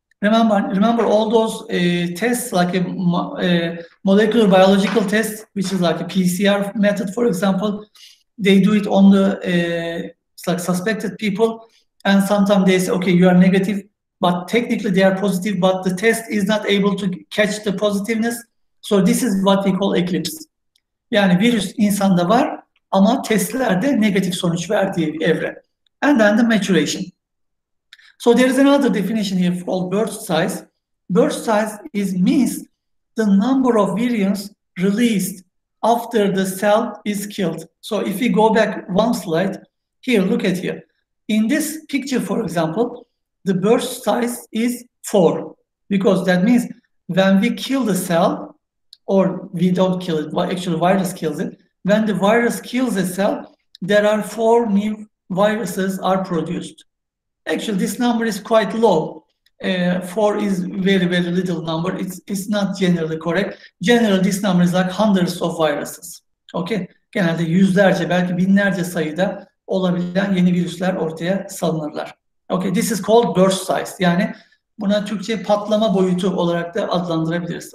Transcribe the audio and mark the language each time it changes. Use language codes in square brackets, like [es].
[en] Remember all those tests like molecular biological test, which is like a PCR method for example, they do it on the it's like suspected people, and sometimes they say, okay, you are negative, but technically they are positive, but the test is not able to catch the positiveness. So this is what we call eclipse. [tr] Yani virüs insanda var ama testlerde negatif sonuç verdiği evre. [en] And then the maturation. So there is another definition here called burst size. Burst size is means the number of virions released after the cell is killed. So if we go back one slide, here, look at here. In this picture, for example, the burst size is 4. Because that means when we kill the cell, or we don't kill it, but actually virus kills it. When the virus kills a cell, there are 4 new viruses are produced. Actually, this number is quite low. 4 is very, very little number. It's not generally correct. Generally, this number is like hundreds of viruses. Okay? [tr] Genelde yüzlerce, belki binlerce sayıda olabilen yeni virüsler ortaya salınırlar. [en] Okay, this is called burst size. [tr] Yani buna Türkçe patlama boyutu olarak da adlandırabiliriz.